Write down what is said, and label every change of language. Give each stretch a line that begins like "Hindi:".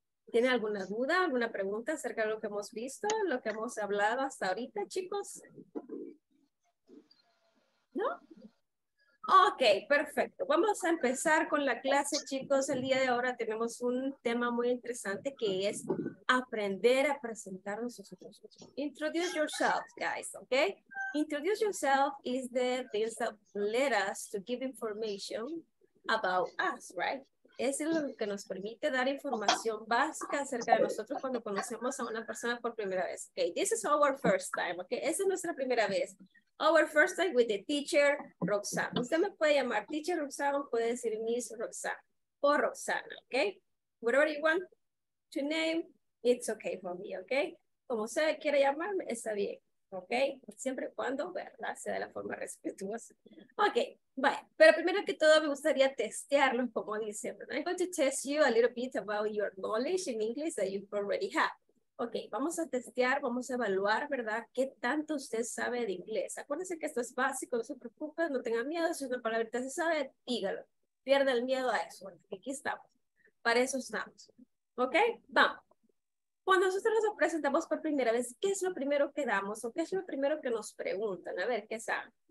Spanish: ¿Tiene alguna duda, alguna pregunta acerca de lo que hemos visto, lo que hemos hablado hasta ahorita, chicos? ¿No? Ok, perfecto. Vamos a empezar con la clase, chicos. El día de ahora tenemos un tema muy interesante que es aprender a presentarnos a nosotros.
English: Introduce yourself, guys, ok? Introduce yourself is the thing that led us to give information about us, right?
Spanish: es lo que nos permite dar información básica acerca de nosotros cuando conocemos a una persona por primera vez.
English: Okay, this is our first time. Okay,
Spanish: esa es nuestra primera vez.
English: Our first time with the teacher Roxanne.
Spanish: Usted me puede llamar teacher Roxanne o puede decir Miss Roxanne o Roxana.
English: Okay, whatever you want to name, it's okay for me.
Spanish: Okay, como usted quiera llamarme, está bien. Ok, siempre y cuando, ¿verdad? Sea de la forma respetuosa. Ok, bueno, pero primero que todo me gustaría testearlo, como dicen, ¿verdad?
English: I'm going to test you a little bit about your knowledge in English that you already have.
Spanish: Ok, vamos a testear, vamos a evaluar, ¿verdad? ¿Qué tanto usted sabe de inglés? Acuérdense que esto es básico, no se preocupe, no tenga miedo, si una palabra se sabe, dígalo. Pierda el miedo a eso, porque aquí estamos. Para eso estamos. Ok, vamos. Cuando nosotros nos presentamos por primera vez, ¿qué es lo primero que damos o qué es lo primero que nos preguntan? A ver, ¿qué saben?